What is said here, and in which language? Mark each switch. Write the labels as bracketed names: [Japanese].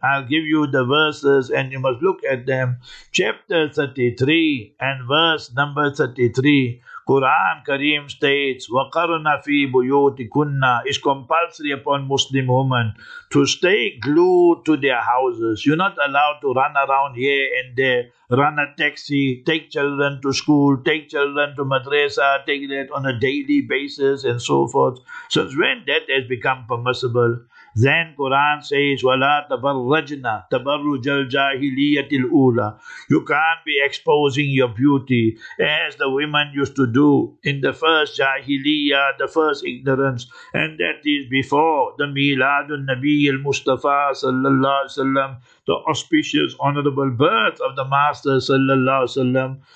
[English] I'll give you the verses and you must look at them. Chapter 33 and verse number 33, Quran Kareem states, [Arabic] وَقَرْنَ فِي بُيُوتِكُنَّ, [English] is compulsory upon Muslim women to stay glued to their houses. You're not allowed to run around here and there, run a taxi, take children to school, take children to madrasa, take that on a daily basis and so forth. Since when that has become permissible? [Arabic] Then Quran says, وَلَا تَبَرَّجْنَا تَبَرُّجَ الْجَاهِلِيَّةِ الْأُولَى. [English] You can't be exposing your beauty as the women used to do in the first jahiliya, the first ignorance. And that is before the Miladun Nabi al-Mustafa sallallahu alayhi wa sallam, the auspicious honorable birth of the Master sallallahu alayhi wa sallam.